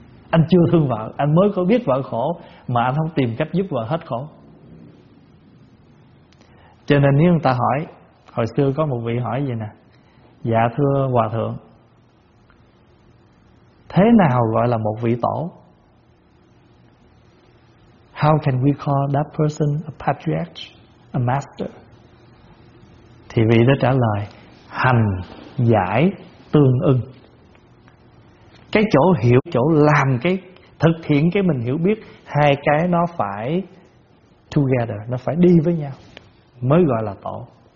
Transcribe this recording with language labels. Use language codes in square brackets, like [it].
[vi] Anh chưa thương vợ, anh mới có biết vợ khổ mà anh không tìm cách giúp vợ hết khổ. Cho nên nếu người ta hỏi, hồi xưa có một vị hỏi vậy nè: dạ thưa hòa thượng, thế nào gọi là một vị tổ? [en] How can we call that person a patriarch, a master? [vi] Thì vị đó trả lời: hành giải tương ưng. Cái chỗ hiểu, chỗ làm, cái thực hiện cái mình hiểu biết, hai cái nó phải together, nó phải đi với nhau mới gọi là tổ.